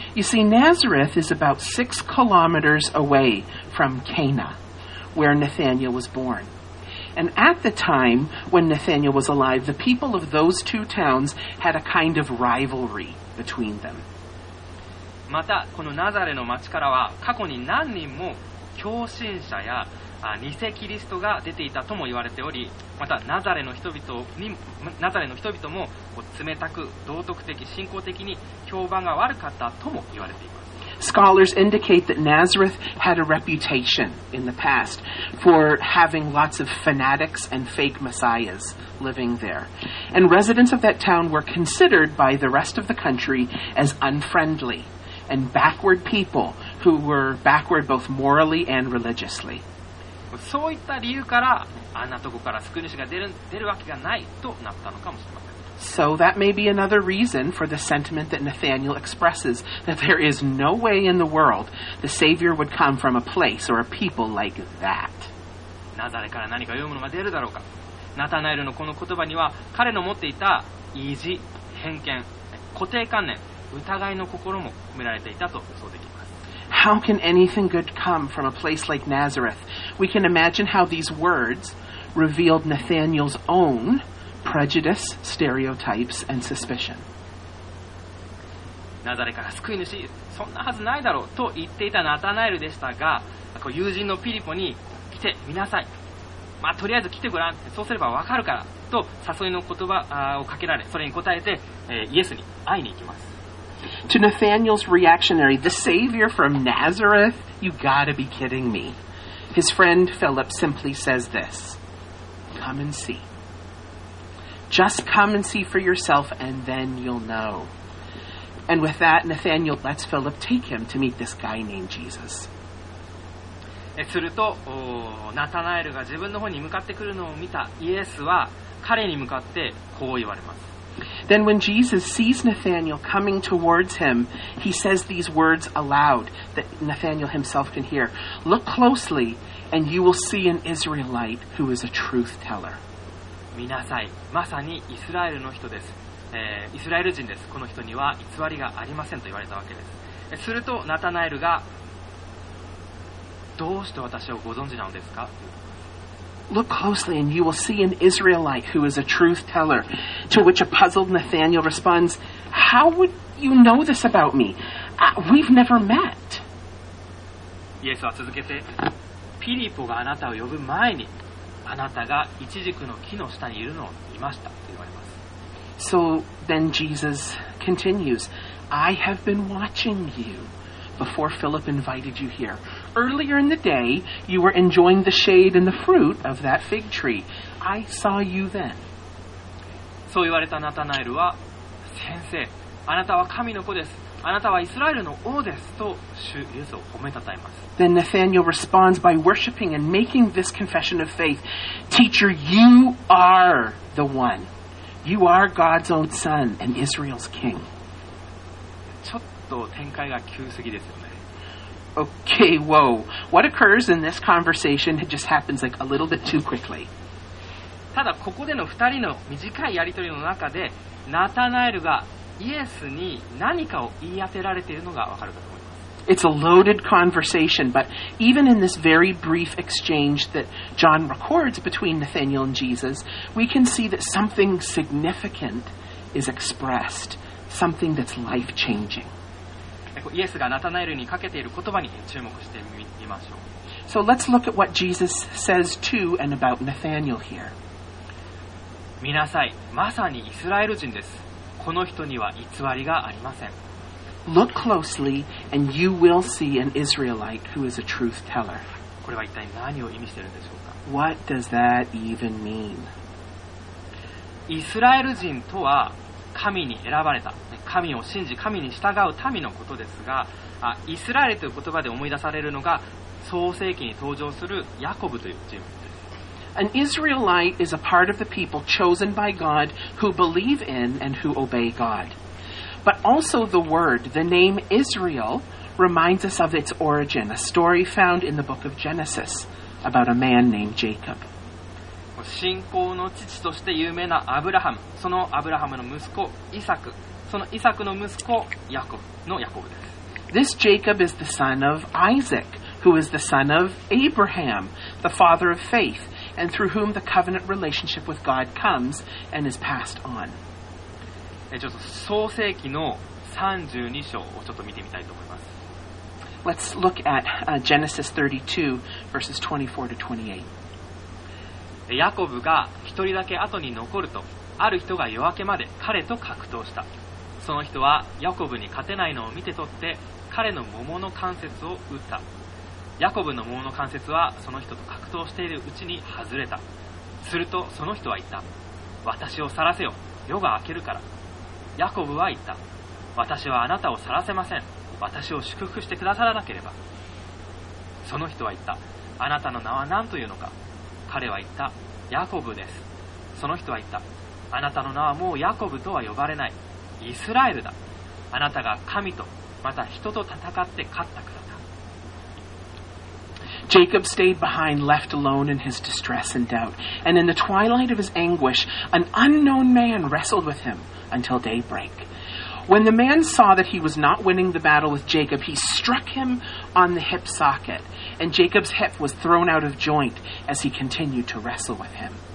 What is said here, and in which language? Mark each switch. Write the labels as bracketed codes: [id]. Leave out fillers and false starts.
[en] You see, Nazareth is about 6 kilometers away from Cana, where Nathanael was born. And at the time when Nathanael was alive, the people of those two towns had a kind of rivalry between them. [ja] またこのナザレの町からは過去に何人も狂信者や偽キリストが出ていたとも言われており、またナザレの人々も冷たく道徳的信仰的に評判が悪かったとも言われています。 [en] Scholars indicate that Nazareth had a reputation in the past for having lots of fanatics and fake messiahs living there. And residents of that town were considered by the rest of the country as unfriendly and backward people who were backward both morally and religiously. [ja] そういった理由から、あんなとこから救い主が出るわけがないとなったのかもしれません。 [en] So that may be another reason for the sentiment that Nathaniel expresses, that there is no way in the world the Savior would come from a place or a people like that. [ja] ナザレから何か良いものが出るだろうか。ナタナエルのこの言葉には彼の持っていた意地、偏見、固定観念、疑いの心も込められていたと予想できます。 [en] How can anything good come from a place like Nazareth? We can imagine how these words revealed Nathaniel's own prejudice, stereotypes, and suspicion. [ja] ナザレから救い主、そんなはずないだろうと言っていたナタナエルでしたが、友人のピリポに来てみなさい。まあ、とりあえず来てごらん。そうすればわかるからと誘いの言葉をかけられ、それに応えて、イエスに会いに行きます。 [en] To Nathaniel's reactionary, the Savior from Nazareth? You gotta be kidding me. His friend Philip simply says this, Come and see. Just come and see for yourself and then you'll know. And with that, Nathaniel lets Philip take him to meet this guy named Jesus. [ja] すると、ナタナエルが自分の方に向かってくるのを見たイエスは彼に向かってこう言われます。 [en] Then when Jesus sees Nathanael coming towards him, he says these words aloud that Nathanael himself can hear. Look closely, and you will see an Israelite who is a truth teller. [ja] 見なさい、まさにイスラエルの人です。イスラエル人です。この人には偽りがありませんと言われたわけです。すると、ナタナエルが、どうして私をご存知なのですか? [en] Look closely and you will see an Israelite who is a truth teller. To which a puzzled Nathanael responds, How would you know this about me? We've never met. [ja] イエスは続けて、ピリポがあなたを呼ぶ前に、あなたがイチジクの木の下にいるのを見ましたと言われます。 [en] So then Jesus continues, I have been watching you before Philip invited you here. Earlier in the day, you were enjoying the shade and the fruit of that fig tree. I saw you then. [ja] そう言われたナタナエルは、先生、あなたは神の子です。あなたはイスラエルの王です。と主イエスを褒めたたえます。 [en] Then Nathanael responds by worshiping and making this confession of faith. Teacher, you are the one. You are God's own son and Israel's king. [ja] ちょっと展開が急すぎですよね。 [en] Okay, whoa. What occurs in this conversation just happens like a little bit too quickly. [ja] ただここでの2人の短いやり取りの中で、ナタナエルがイエスに何かを言い当てられているのがわかるかと思います。 [en] It's a loaded conversation, but even in this very brief exchange that John records between Nathanael and Jesus, we can see that something significant is expressed, something that's life-changing. [ja] イエスがナタナエルにかけている言葉に注目してみましょう。 [en] So let's look at what Jesus says to and about Nathanael here. [ja] 見なさい、まさにイスラエル人です。この人には偽りがありません。 [en] Look closely and you will see an Israelite who is a truth teller. [ja] これは一体何を意味しているんでしょうか? [en] What does that even mean? [ja] イスラエル人とは神に選ばれた、神を信じ、神に従う民のことですが、イスラエルという言葉で思い出されるのが、創世記に登場するヤコブという人物です。 [en] An Israelite is a part of the people chosen by God who believe in and who obey God. But also the word, the name Israel, reminds us of its origin, a story found in the book of Genesis about a man named Jacob. [ja] 信仰の父として有名なアブラハム、そのアブラハムの息子イサク、そのイサクの息子ヤコブのヤコブです。 [en] This Jacob is the son of Isaac, who is the son of Abraham, the father of faith, and through whom the covenant relationship with God comes and is passed on. [ja] ちょっと創世記の32章をちょっと見てみたいと思います。 [en] Let's look at Genesis 32, verses 24 to 28. [ja] ヤコブが一人だけ後に残るとある人が夜明けまで彼と格闘したその人はヤコブに勝てないのを見て取って彼の桃の関節を打った。ヤコブの桃の関節はその人と格闘しているうちに外れた。するとその人は言った、私を晒せよ、夜が明けるから。ヤコブは言った、私はあなたを晒せません、私を祝福してくださらなければ。その人は言った、あなたの名は何というのか。彼は言った、ヤコブです。その人は言った、あなたの名はもうヤコブとは呼ばれない、イスラエルだ。あなたが神とまた人と戦って勝ったからだ。 [en] Jacob stayed behind, left alone in his distress and doubt. And in the twilight of his anguish, an unknown man wrestled with him until daybreak. When the man saw that he was not winning the battle with Jacob, he struck him on the hip socket, and Jacob's hip was thrown out of joint as he continued to wrestle with him.